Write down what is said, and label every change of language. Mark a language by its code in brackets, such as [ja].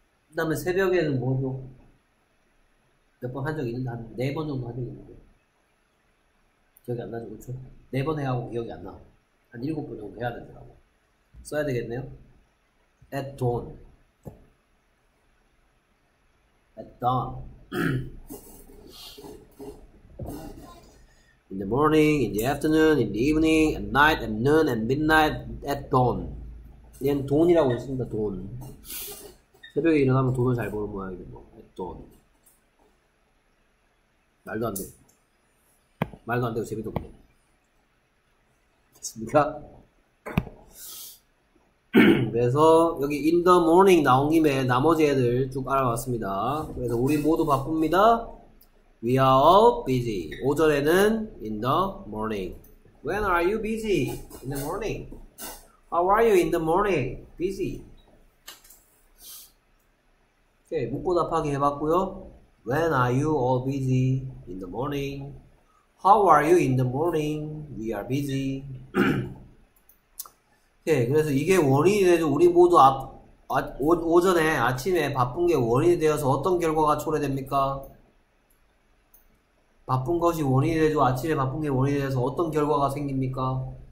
[ko] 그다음에 새벽에는 뭐죠? 몇번한적 있는데 한네번 정도 한적 있는데 기억이 안 나죠, 그렇죠? 네번 해야 하고 기억이 안 나. 한 일곱 번 정도 해야 되더라고. 써야 되겠네요. [en] At dawn, at dawn, in the morning, in the afternoon, in the evening, at night, at noon, at midnight, at dawn. [ko] 얘는 돈이라고 했습니다. 돈. 새벽에 일어나면 돈을 잘 버는 모양이죠, 뭐. [en] At dawn. [ko] 말도 안 돼. 말도 안 되고 재미도 없네. 됐습니까? 그래서 여기 in the morning 나온 김에 나머지 애들 쭉 알아봤습니다. 그래서 우리 모두 바쁩니다. [en] We are all busy. [ko] 오전에는 [en] in the morning. When are you busy? In the morning. How are you in the morning? Busy. [ko] 오케이, 묻고 답하기 해봤고요. [en] When are you all busy in the morning? How are you in the morning? We are busy. [ko] 오케이, 그래서 이게 원인이 돼서 우리 모두 오전에 아침에 바쁜 게 원인이 되어서 어떤 결과가 초래됩니까? 바쁜 것이 원인이 돼서 아침에 바쁜 게 원인이 되어서 어떤 결과가 생깁니까?